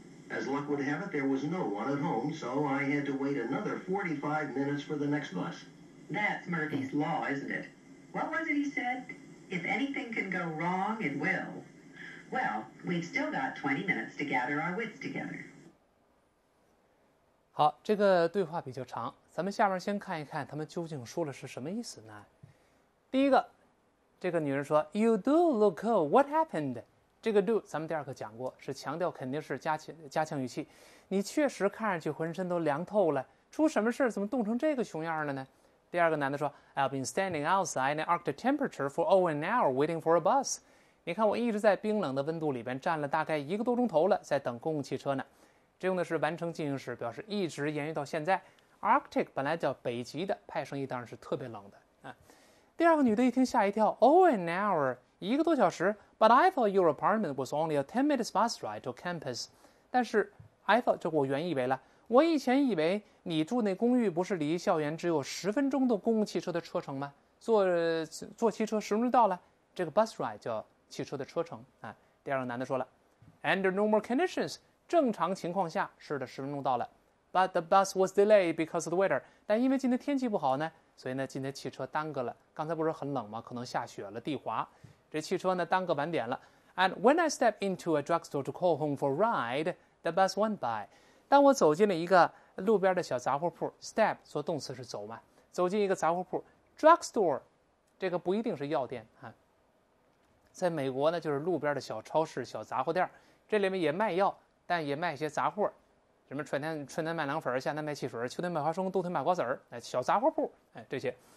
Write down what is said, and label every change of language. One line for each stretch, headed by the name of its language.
English: As luck would have it, there was no one at home, so I had to wait another 45 minutes for the next bus. That's Murphy's Law, isn't it? What was it he said? If anything can go wrong, it will. Well, we've still got 20 minutes to gather our wits together.
Chinese: 好，这个对话比较长，咱们下面先看一看他们究竟说的是什么意思呢？第一个，这个女人说
English: ，You do look cold. What happened?
Chinese: 这个 do 咱们第二课讲过，是强调肯定是加强语气。你确实看上去浑身都凉透了，出什么事怎么冻成这个熊样了呢？第二个男的说
English: ，I've been standing outside in Arctic temperature for over an hour waiting for a bus.
Chinese: 你看我一直在冰冷的温度里边站了大概一个多钟头了，在等公共汽车呢。这用的是完成进行时，表示一直延续到现在。 Arctic 本来叫北极的，派生意当然是特别冷的。第二个女的一听吓一跳 ，
English: Oh, an hour,
Chinese: 一个多小时。
English: But I thought your apartment was only a 10-minute bus ride to campus.
Chinese: 但是
English: I thought
Chinese: 就我原以为了，我以前以为你住那公寓不是离校园只有十分钟的公共汽车的车程吗？坐汽车十分钟到了。这个 bus ride 叫汽车的车程啊。第二个男的说了 ，
English: Under normal conditions,
Chinese: 正常情况下是的，十分钟到了。
English: But the bus was delayed because of the weather.
Chinese: 但因为今天天气不好呢。所以呢，今天汽车耽搁了。刚才不是很冷吗？可能下雪了，地滑。这汽车呢，耽搁晚点了。
English: And when I step into a drugstore to call home for a ride, the bus went by.
Chinese: 当我走进了一个路边的小杂货铺 ，step 做动词是走嘛？走进一个杂货铺 ，drugstore， 这个不一定是药店啊。在美国呢，就是路边的小超市、小杂货店，这里面也卖药，但也卖一些杂货。什么春天卖凉粉，夏天卖汽水，秋天卖花生，冬天卖瓜子儿，小杂货铺，这些。